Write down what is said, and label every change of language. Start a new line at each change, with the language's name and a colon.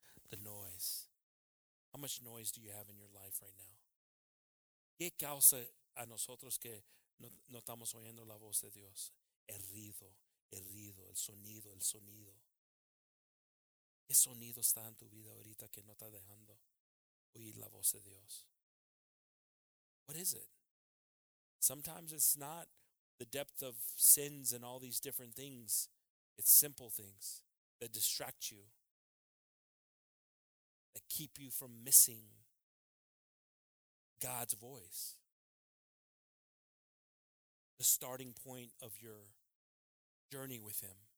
English: The noise. How much noise do you have in your life right now?
Spanish: ¿Qué causa a nosotros que no estamos oyendo la voz de Dios? El ruido, el sonido. ¿Qué sonido está en tu vida ahorita que no está dejando oír la voz de Dios?
English: What is it? Sometimes it's not the depth of sins and all these different things. It's simple things that distract you, that keep you from missing God's voice, the starting point of your journey with him.